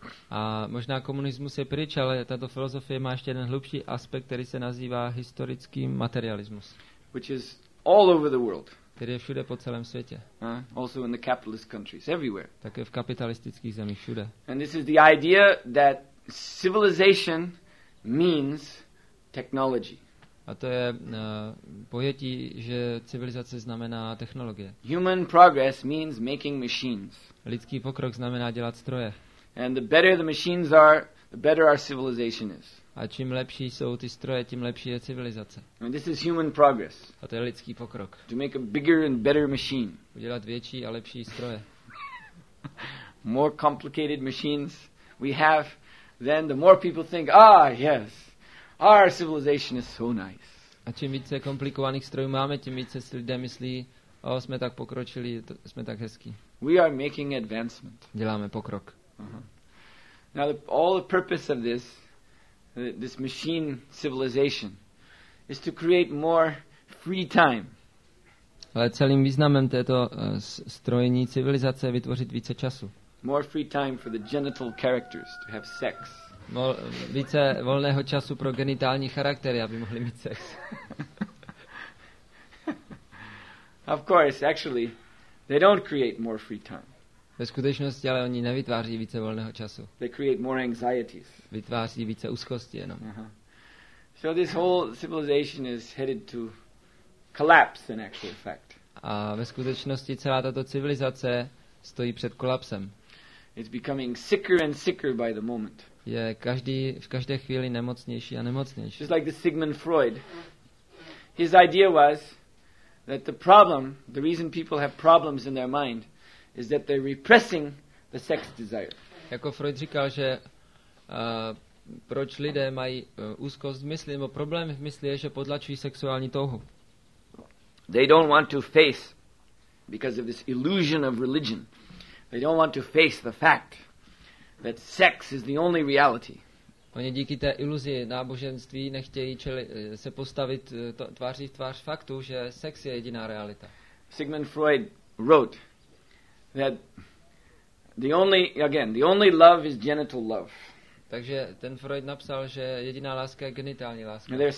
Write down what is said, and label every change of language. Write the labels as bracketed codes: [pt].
[cs] A možná komunismus je pryč, ale tato filozofie má ještě jeden hlubší aspekt, který se nazývá historický materialismus. [en] Which is all over the world. [cs] Který je všude po celém světě. [en] Also in the capitalist countries, everywhere. [cs] Také v kapitalistických zemích všude. [en] And this is the idea that civilization means technology. [cs] A to je pojetí, že civilizace znamená technologie. [en] Human progress means making machines. [cs] Lidský pokrok znamená dělat stroje. [en] And the better the machines are, the better our civilization is. [cs] A čím lepší jsou ty stroje, tím lepší je civilizace. [en] And this is human progress. [cs] A to je lidský pokrok. [en] To make a bigger and better machine. [cs] Udělat větší a lepší stroje. [en] More complicated machines we have, then the more people think, ah, yes, our civilization is so nice. [cs] A čím více komplikovaných strojů máme, tím více si lidé myslí, o, jsme tak pokročili, to, jsme tak hezký. [en] We are making advancement. [cs] Děláme pokrok. Uh-huh. [en] Now all the purpose of this machine civilization is to create more free time. [cs] Ale celým významem této strojní civilizace je vytvořit více času. [en] More free time for the genital characters to have sex. [cs] Více volného času pro genitální charaktery, aby mohli mít sex. [en] Of course, actually, they don't create more free time. [cs] Ve skutečnosti ale oni nevytváří více volného času. [en] They create more anxieties. [cs] Vytváří více úzkosti jenom. Uh-huh. [en] So this whole civilization is headed to collapse in actual fact. [cs] A ve skutečnosti celá tato civilizace stojí před kolapsem. [en] It's becoming sicker and sicker by the moment. [cs] Je každý v každé chvíli nemocnější a nemocnější. [en] Just like the Sigmund Freud. His idea was that the problem, the reason people have problems in their mind is that they're repressing the sex desire. [cs] Jako Freud říkal, že proč lidé mají úzkost v mysli, nebo problém v mysli je, že potlačují sexuální touhu. [en] They don't want to face, because of this illusion of religion, they don't want to face the fact that sex is the only reality. [cs] Oni díky té iluzi náboženství nechtějí se postavit tváří v tvář faktu, že sex je jediná realita. [en] Sigmund Freud wrote that the only love is genital love. [cs] Takže ten Freud napsal, že jediná láska je genitální láska.